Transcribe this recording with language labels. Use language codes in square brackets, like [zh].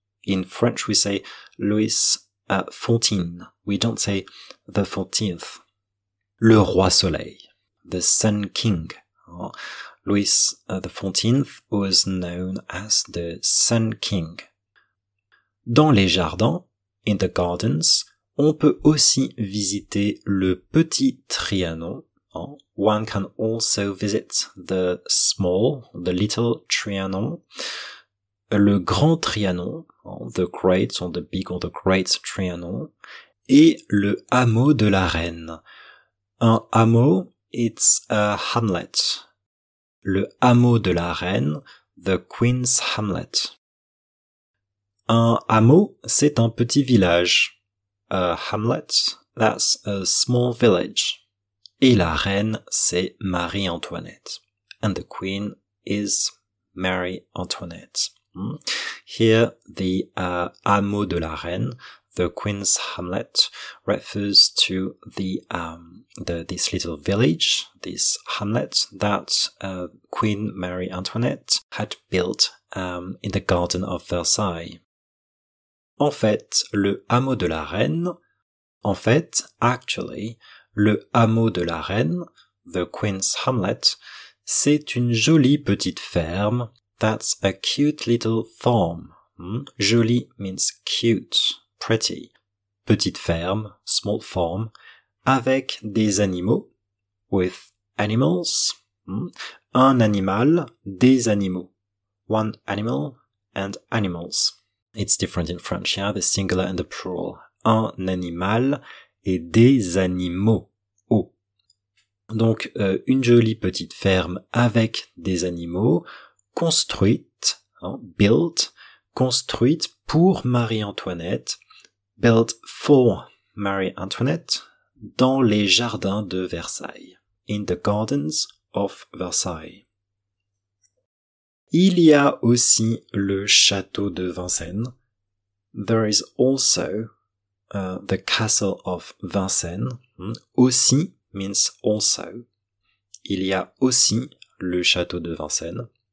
[en] In French, we say Louis Fontaine. We don't say the 14th. [fr] Le roi soleil, [en] the sun king. Louis the 14th was known as the sun king. [fr] Dans les jardins, [en] in the gardens, [fr] on peut aussi visiter le petit Trianon. [en] One can also visit the small, the little Trianon. [fr] Le grand Trianon, [en] the great or the big or the great Trianon. [fr] Et le hameau de la reine. Un hameau, [en] it's a hamlet. [fr] Le hameau de la reine, [en] the queen's hamlet. [fr] Un hameau, c'est un petit village. [en] A hamlet, that's a small village. [fr] Et la reine, c'est Marie-Antoinette. [en] And the queen is Marie-Antoinette. Here, the [fr] hameau de la reine, [en] the Queen's Hamlet, refers to this little village, this hamlet that Queen Marie Antoinette had built in the Garden of Versailles. [fr] En fait, le hameau de la reine, en fait, [en] actually, [fr] le hameau de la reine, [en] the Queen's Hamlet, [fr] c'est une jolie petite ferme, [en] that's a cute little farm. Jolie means cute, pretty. [fr] Petite ferme, [en] small farm, [fr] avec des animaux, [en] with animals. [fr] Un animal, des animaux. [en] One animal and animals. It's different in French, yeah, the singular and the plural. [fr] Un animal et des animaux. Oh. Donc, une jolie petite ferme avec des animaux, construite, hein, [en] built, [fr] construite pour Marie-Antoinette, [en] built for Marie-Antoinette, [fr] dans les jardins de Versailles. [en] In the gardens of Versailles. [fr] Il y a aussi le château de Vincennes. [en] There is also the castle of Vincennes. Aussi means also. [fr] Il y a aussi le château de Vincennes.